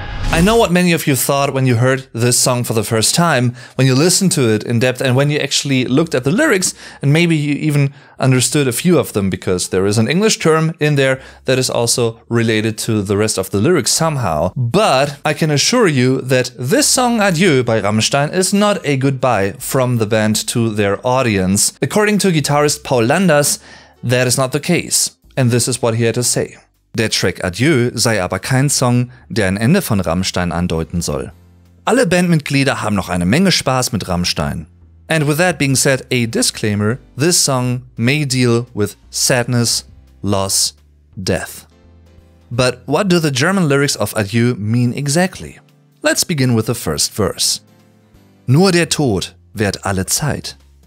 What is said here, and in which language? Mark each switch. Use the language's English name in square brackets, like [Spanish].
[English] I know what many of you thought when you heard this song for the first time, when you listened to it in depth, and when you actually looked at the lyrics, and maybe you even understood a few of them, because there is an English term in there that is also related to the rest of the lyrics somehow. But I can assure you that this song Adieu by Rammstein is not a goodbye from the band to their audience. According to guitarist Paul Landers, that is not the case. And this is what he had to say. [German] Der Track Adieu sei aber kein Song, der ein Ende von Rammstein andeuten soll. Alle Bandmitglieder haben noch eine Menge Spaß mit Rammstein. [English] And with that being said, a disclaimer, this song may deal with sadness, loss, death. But what do the German lyrics of Adieu mean exactly? Let's begin with the first verse. [German] Nur der Tod währt alle Zeit.